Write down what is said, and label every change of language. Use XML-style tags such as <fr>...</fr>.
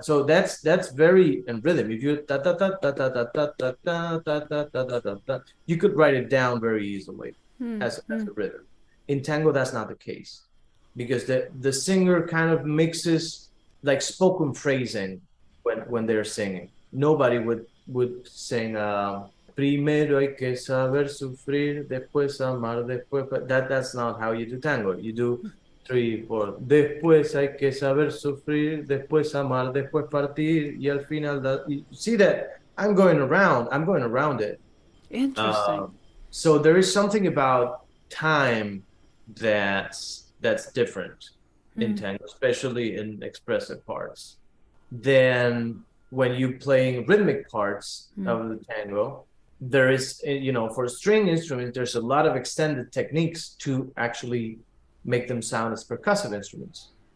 <en>So that's very in rhythm. If you ta ta ta ta ta ta ta ta ta ta ta ta ta ta ta, you could write it down very easily as a rhythm. In tango, that's not the case, because the singer kind of mixes like spoken phrasing when they're singing. Nobody would sing.</en> <es>Primero hay que saber sufrir, después amar, después.</es> <en>But that's not how you do tango. You do 3-4.</en> <es>Después hay que saber sufrir, después amar, después partir, y al final.</es> <en>See that? I'm going around it. Interesting. So there is something about time that's different in tango, especially in expressive parts. Then when you're playing rhythmic parts of the tango, there is, for a string instrument, there's a lot of extended techniques to actually make them sound as percussive instruments.</en>